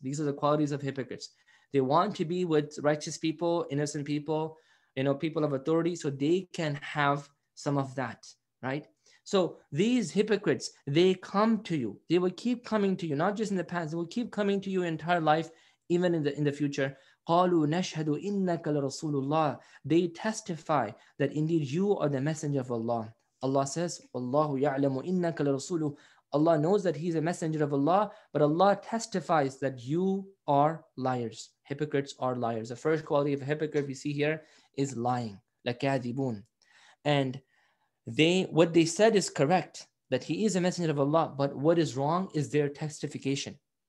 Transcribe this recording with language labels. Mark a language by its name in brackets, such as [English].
[English] These are the qualities of hypocrites. They want to be with righteous people, innocent people, you know, people of authority, so they can have some of that, right? So these hypocrites, they come to you. They will keep coming to you, not just in the past. They will keep coming to you your entire life, even in the future. [Arabic] قَالُوا نَشْهَدُ إِنَّكَ لَرَسُولُ اللَّهِ. [English] They testify that indeed you are the messenger of Allah. Allah says, [Arabic] وَاللَّهُ يَعْلَمُ إِنَّكَ لَرَسُولُ. [English] Allah knows that he's a messenger of Allah, but Allah testifies that you are liars. Hypocrites are liars. The first quality of a hypocrite we see here is lying. لَكَاذِبُونَ. And they, what they said is correct. that he is a messenger of Allah, but what is wrong is their testification.